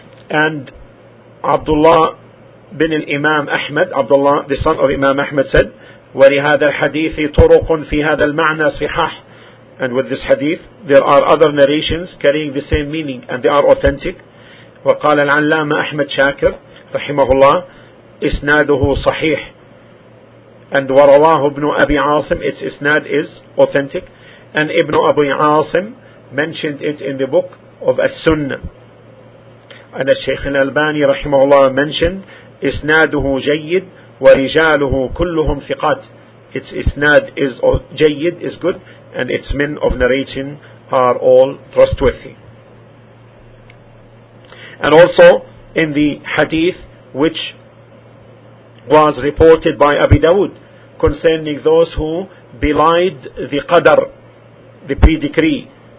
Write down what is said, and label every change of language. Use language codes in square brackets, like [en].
[en] And Abdullah bin al-Imam Ahmad, Abdullah, the son of Imam Ahmad, said, [ar] وَلِهَذَا الْحَدِيثِ طُرُقٌ فِي هَذَا الْمَعْنَى صِحَحٌ. [en] And with this hadith, there are other narrations carrying the same meaning, and they are authentic. [ar] وقال العلامة أحمد شاكر رحمه الله إسناده صحيح. [en] And [ar] ورواه ابن أبي عاصم, [en] its إسناد is authentic. And ابن أبي عاصم mentioned it in the book of As-Sunnah. [ar] And الشيخ الألباني رحمه الله mentioned إسناده جيد ورجاله كلهم ثقات. [en] Its إسناد is جيد, is good. And its men of narration are all trustworthy. And also in the hadith which was reported by Abi Dawud concerning those who belied the qadr, the pre-decree.